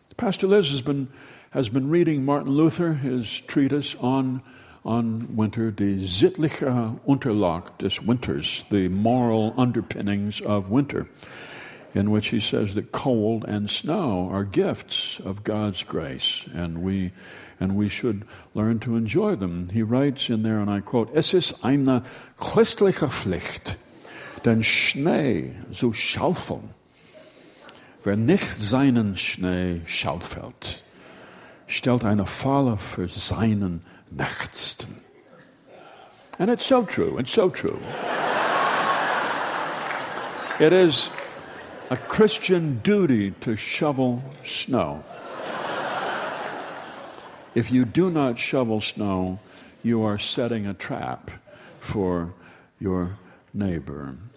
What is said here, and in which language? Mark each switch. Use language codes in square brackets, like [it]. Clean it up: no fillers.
[en] Pastor Liz has been reading Martin Luther, his treatise on winter, [de] Die sittliche Unterlage des Winters, [en] the moral underpinnings of winter, in which he says that cold and snow are gifts of God's grace, and we should learn to enjoy them. He writes in there, and I quote, [de] "Es ist eine christliche Pflicht, denn Schnee zu schaufeln. Wer nicht seinen Schnee schaufelt, stellt eine Falle für seinen Nächsten." [en] And it's so true, it's so true. It is a Christian duty to shovel snow. If you do not shovel snow, you are setting a trap for your neighbor.